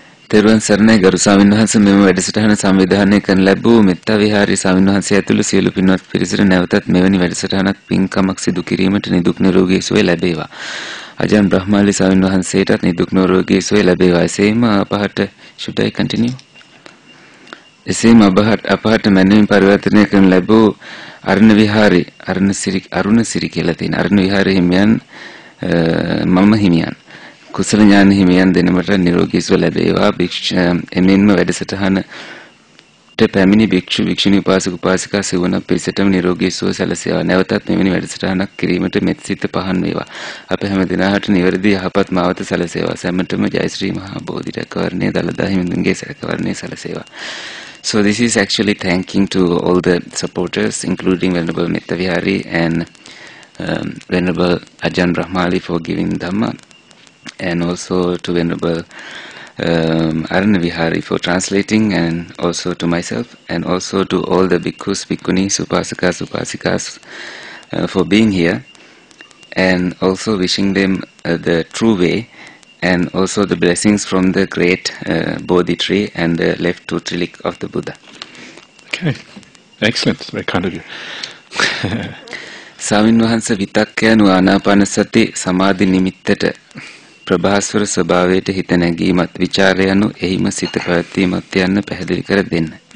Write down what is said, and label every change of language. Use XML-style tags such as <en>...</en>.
<si>තෙරුවන් සරණයි ගරු ස්වාමීන් වහන්සේ මෙම වැඩසටහන සංවිධානය කරන ලැබූ මෙත්තා විහාරී ස්වාමීන් වහන්සේ ඇතුළු සියලු පින්වත් පිරිසට නැවතත් මෙවැනි වැඩසටහනක් පින්කමක් සිදු කිරීමට නිදුක් නිරෝගී සුවය ලැබේවා. අජන් බ්‍රහ්මාලි ස්වාමීන් වහන්සේටත් නිදුක් නිරෝගී සුවය ලැබේවා. එසේම අපහට</si> <en>should I continue?</en> <si>එසේම අපහට මැනවින් පරිවර්තනය කරන ලැබූ අරුණ විහාරී අරුණසිරි කියලා තියෙන අරුණ විහාරී හිමියන් මම හිමියන් කුසල ඥාන හිමියන් දෙනමට නිරෝගී සුව ලැබේවා. එමෙන්ම වැඩසටහනට පැමිණි භික්ෂු භික්ෂුණී උපාසක උපාසිකා සිවන පිරිසටම නිරෝගී සුව සැලසේවා. නැවතත් මෙවැනි වැඩසටහනක් කිරීමට මෙත් සිත පහන් වේවා. අප හැම දිනාට නිවැරදි යහපත් මාවත සැලසේවා. සැමටම ජය ශ්‍රී මහා බෝධි රැකවරණය දළදා හිමිඳුන්ගේ රැකවරණය සැලසේවා.</si> <en>So this is actually thanking to all the supporters, including Venerable Metta Vihari and Venerable Ajahn Brahmali for giving Dhamma. And also to Venerable Arana Vihari for translating, and also to myself, and also to all the bhikkhus, bhikkhuni, supasakas, upasikas for being here, and also wishing them the true way, and also the blessings from the great Bodhi tree and the left two trilik of the Buddha. Okay, excellent, very kind of you.</en> <si>Swamin Vahansa Vitakyanu Anapanasati Samadhi Nimittata ප්‍රභාස්වර ස්වභාවයට හිත නැගීමත් විචාරයනු එහිම සිත පැවැත්වීමත් යන්න පැහැදිලි කර දෙන්න.</si>